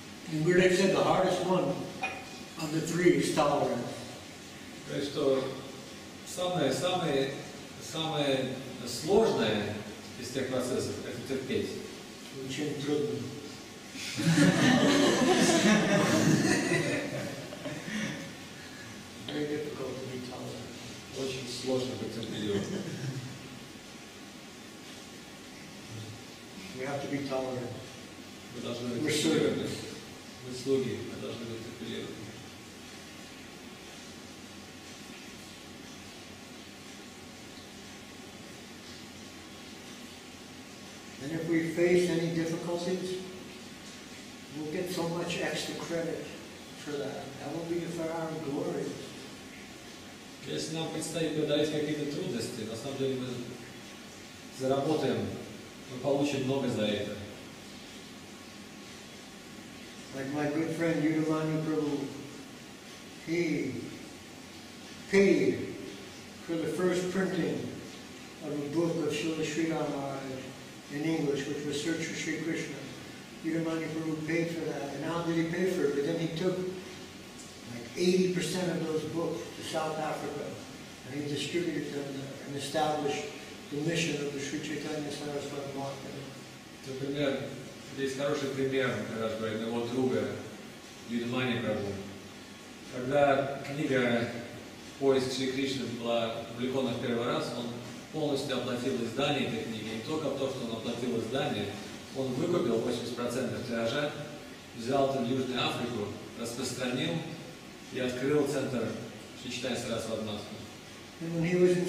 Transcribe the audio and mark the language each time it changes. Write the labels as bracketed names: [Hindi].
[English] And Gurudev said the hardest one of the three is tolerance. [Russian] То есть самое сложное из тех процессов – это терпеть. Очень трудно. [English] Very difficult to be tolerant. [Russian] Очень сложно быть терпеливым. [English] We have to be tolerant. [Russian] Мы должны быть терпеливыми. Мы слуги, мы должны быть терпеливыми. [English] And if we face any difficulties, we'll get so much extra credit for that. That will be for our glory. [Russian] Если нам предстоит преодолеть какие-то трудности, на самом деле мы заработаем, мы получим много за это. [English] Like my good friend Yudhamani Prabhu, he paid for the first printing of a book of Srila Sridhar Maharaj in English, which was Search for Sri Krishna. Yudhamani Prabhu paid for that, and not only did he pay for it, but then he took like 80% of those books to South Africa, and he distributed them there and established the mission of the Sri Chaitanya Saraswati Bhakti. [Russian] Здесь хороший пример, как раз говорит, моего друга Юдмани Прабху. Когда книга «Поиск Шри Кришны» была опубликована в первый раз, он полностью оплатил издание этой книги. И только то, что он оплатил издание, он выкупил 80% тиража, взял там Южную Африку, распространил и открыл центр Шри Чайтанья Сарасвати Матха.